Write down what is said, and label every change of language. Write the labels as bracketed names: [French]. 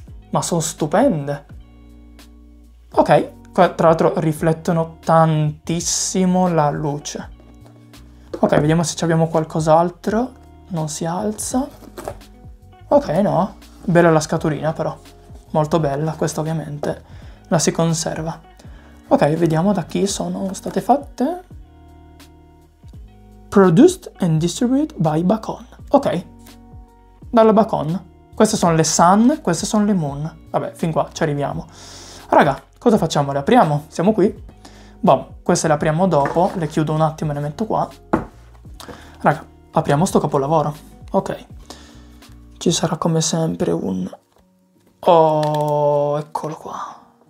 [Italian] Ma sono stupende. Ok, qua tra l'altro riflettono tantissimo la luce. Ok, vediamo se abbiamo qualcos'altro. Non si alza. Ok, no. Bella la scatolina, però. Molto bella, questa ovviamente. La si conserva. Ok, vediamo da chi sono state fatte. [English] Produced and distributed by Bacon. [Italian] Ok. Dalla Bacon. Queste sono le Sun, queste sono le Moon. Vabbè, fin qua ci arriviamo. Raga, cosa facciamo? Le apriamo? Siamo qui? Boh, queste le apriamo dopo. Le chiudo un attimo e le metto qua. Raga, apriamo sto capolavoro. Ok. Ci sarà come sempre un... Oh, eccolo qua.